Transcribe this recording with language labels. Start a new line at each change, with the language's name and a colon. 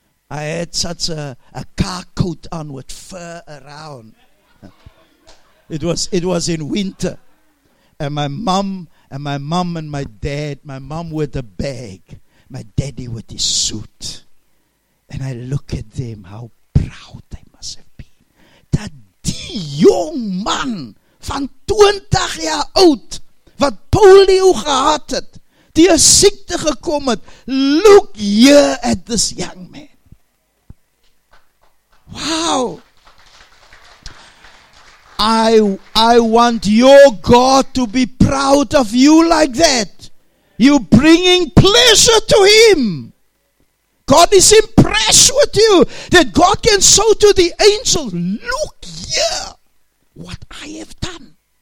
English: I had such a car coat on with fur around. It was in winter. And my mom with a bag. My daddy with his suit. And I look at them, how proud they must have been.
Afrikaans: That die jong man van 20 jaar oud wat polio gehad het, die 'n siekte gekom het,
English: look here at this young man. Wow. I want your God to be proud of you like that. You bringing pleasure to Him. God is impressed with you. That God can show to the angels, look here what I have done.